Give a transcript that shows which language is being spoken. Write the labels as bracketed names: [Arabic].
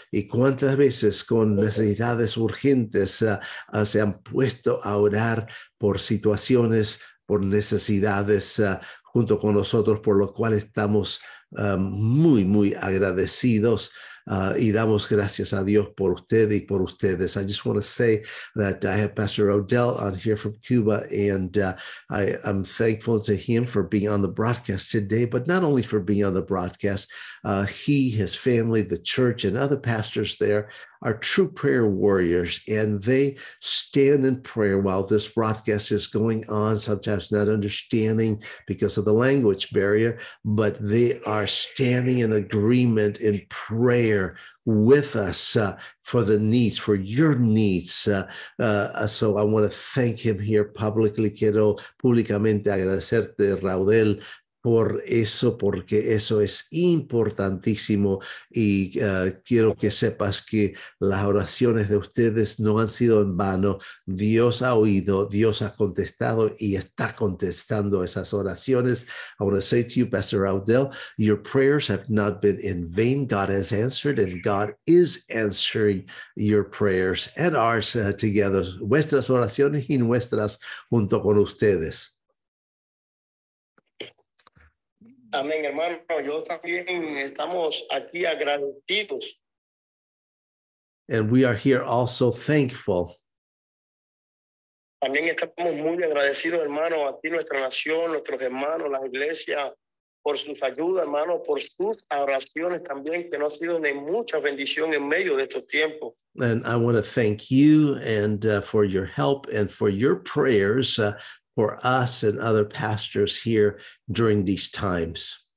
[Spanish] Y cuántas veces con necesidades urgentes se han puesto a orar por situaciones, por necesidades junto con nosotros, por lo cual estamos muy, muy agradecidos. Y damos gracias a Dios por usted y por ustedes. [English] I just want to say that I have Pastor Raudel on here from Cuba, and I'm thankful to him for being on the broadcast today, but not only for being on the broadcast, he, his family, the church, and other pastors there are true prayer warriors, and they stand in prayer while this broadcast is going on, sometimes not understanding because of the language barrier, but they are standing in agreement in prayer with us for the needs, for your needs. So I want to thank him here publicly. [Spanish] Quiero públicamente agradecerte, Raudel, por eso, porque eso es importantísimo, y quiero que sepas que las oraciones de ustedes no han sido en vano. Dios ha oído, Dios ha contestado y está contestando esas oraciones. [English] I want to say to you, Pastor Raudel, your prayers have not been in vain. God has answered, and God is answering your prayers and ours together. [Spanish] Vuestras oraciones y nuestras junto con ustedes. Amén, hermano. Yo también estamos aquí agradecidos. [English] And we are here also thankful. [Spanish] También estamos muy agradecidos, hermano, a ti, nuestra nación, nuestros hermanos, la iglesia, por sus ayudas, hermano, por sus oraciones también, que no ha sido de mucha bendición en medio de estos tiempos. [English] And I want to thank you and for your help and for your prayers for us and other pastors here during these times.